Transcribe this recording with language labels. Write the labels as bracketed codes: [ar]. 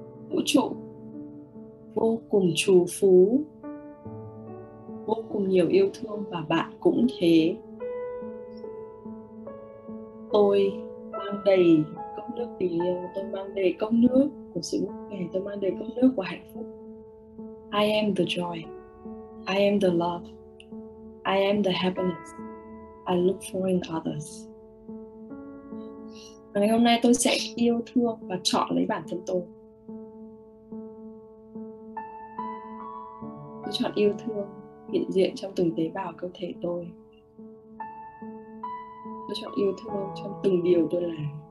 [vi] Vũ trụ vô cùng trù phú, vô cùng nhiều yêu thương, và bạn cũng thế. Tôi mang đầy công đức tình yêu, tôi mang đầy công nước của sự mất mẻ, tôi mang đầy công nước của hạnh phúc. [en] I am the joy, I am the love, I am the happiness I look for in others. [vi] Ngày hôm nay tôi sẽ yêu thương và chọn lấy bản thân tôi. Tôi chọn yêu thương hiện diện trong từng tế bào cơ thể tôi. Tôi chọn yêu thương trong từng điều tôi làm.